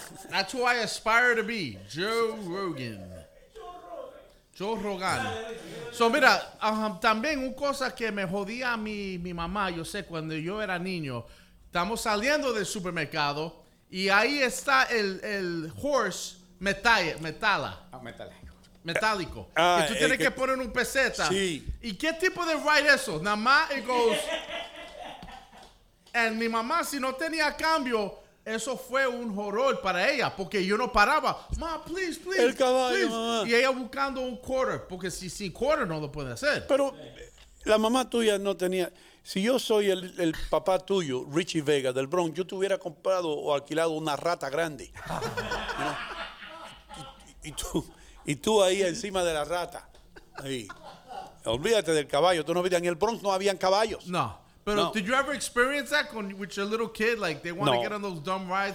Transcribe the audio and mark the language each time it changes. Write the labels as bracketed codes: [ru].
[en] That's who I aspire to be, Joe Rogan. Joe Rogan. [es] So, mira, también una cosa que me jodía a mi mamá, yo sé, cuando yo era niño, estamos saliendo del supermercado y ahí está el horse metálico. Y tú tienes que poner un peseta. Sí. ¿Y qué tipo de ride eso? Nada más, [en] it goes... And [es] mi mamá, si no tenía cambio, eso fue un horror para ella, porque yo no paraba. Ma, [en] please, please. [es] El caballo, [en] please. [es] Mamá. Y ella buscando un quarter, porque si sin quarter no lo puede hacer. Pero la mamá tuya no tenía... Si yo soy el papá tuyo, Richie Vega, del Bronx, yo te hubiera comprado o alquilado una rata grande. Y tú ahí encima de la rata. Ahí. Olvídate del caballo. Tú no viste, en el Bronx no habían caballos. No. Pero, no. [en] Did you ever experience that with your little kid? Like, they want to get on those dumb rides?